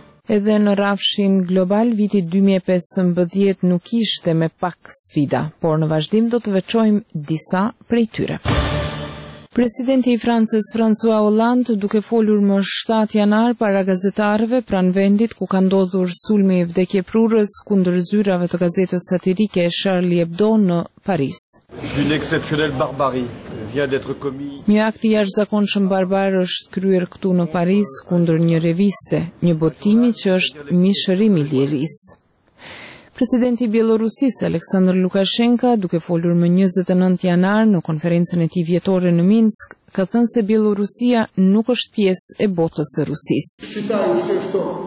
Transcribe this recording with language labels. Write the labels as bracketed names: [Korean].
[Albanian] Edhe në rafshin global, viti 2015 nuk ishte me pak sfida, por në vazhdim do të veçojmë disa prej tyre. Presidenti i Francës, François Hollande, duke folur më 7 janar para gazetarëve pranë vendit ku ka ndodhur sulmi i vdekjeprurës kundër zyrave të gazetës satirike Charlie Hebdo në Paris. [French] Une exceptionnelle barbarie vient d'être commise. [Albanian] Një akt i jashtëzakonshëm barbar është kryer këtu në Paris kundër një reviste, një botimi që është mishërim i lirisë. Presidenti i Bielorusis, Aleksandr Lukashenka, duke folur më 29 janar në konferencën e tij vjetore në Minsk, ka thënë se Bielorusia nuk është pjesë e botës së Rusisë.